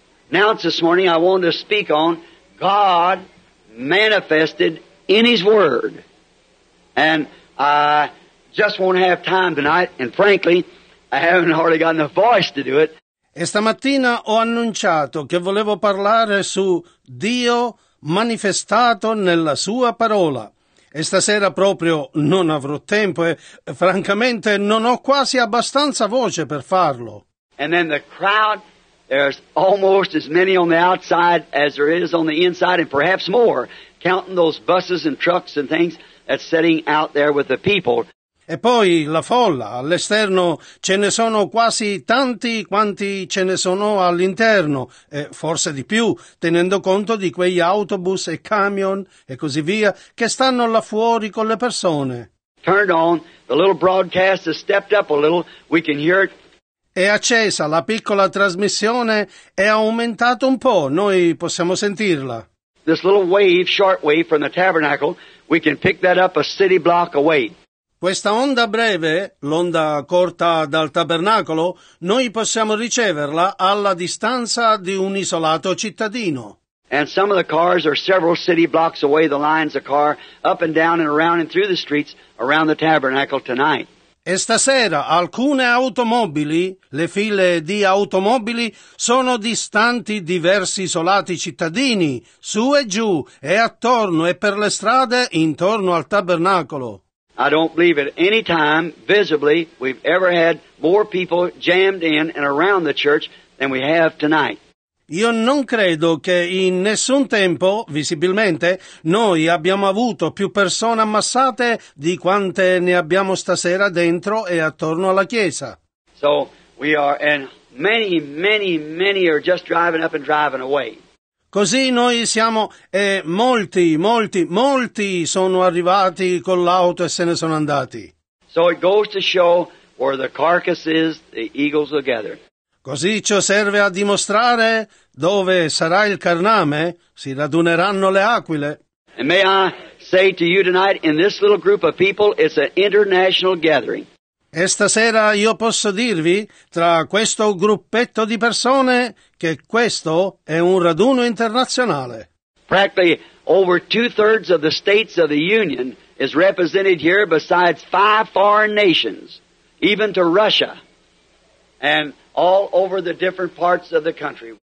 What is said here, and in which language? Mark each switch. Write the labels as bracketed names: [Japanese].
[English] Announced this morning I want to speak on God manifested in His Word. And I just won't have time tonight, and frankly, I haven't hardly gotten the voice to do it. [Italian] E stamattina ho annunciato che volevo parlare su Dio manifestato nella Sua parola. E stasera proprio non avrò tempo e francamente non ho quasi abbastanza voce per farlo. [English] And then the crowd, there's almost as many on the outside as there is on the inside and perhaps more, counting those buses and trucks and things that's sitting out there with the people. [Italian] E poi la folla, all'esterno ce ne sono quasi tanti quanti ce ne sono all'interno, e forse di più, tenendo conto di quegli autobus e camion e così via che stanno là fuori con le persone. [English] Turned on, the little broadcast has stepped up a little, we can hear it. [Italian] È accesa la piccola trasmissione, è aumentato un po', noi possiamo sentirla. [English] This little wave, short wave from the tabernacle, we can pick that up a city block away. [Italian] Questa onda breve, l'onda corta dal tabernacolo, noi possiamo riceverla alla distanza di un isolato cittadino. [English] And some of the cars are several city blocks away, the lines of car, up and down and around and through the streets around the tabernacle tonight. [Italian] E stasera alcune automobili, le file di automobili, sono distanti diversi isolati cittadini, su e giù, e attorno e per le strade intorno al tabernacolo. [English] I don't believe at any time, visibly, we've ever had more people jammed in and around the church than we have tonight. [Italian] Io non credo che in nessun tempo, visibilmente, noi abbiamo avuto più persone ammassate di quante ne abbiamo stasera dentro e attorno alla chiesa. [English] So we are, and many, many, many are just driving up and driving away. [Italian] Così noi siamo e molti, molti, molti sono arrivati con l'auto e se ne sono andati. [English] So it goes to show where the carcass is, the eagles will gather. [Italian] Così ciò serve a dimostrare dove sarà il carname, si raduneranno le aquile. [English] And may I say to you tonight, in this little group of people, it's an international gathering. [Italian] E stasera io posso dirvi, tra questo gruppetto di persone, che questo è un raduno internazionale. [English] Practically over two-thirds of the states of the Union is represented here besides five foreign nations, even to Russia, and all over the different parts of the country.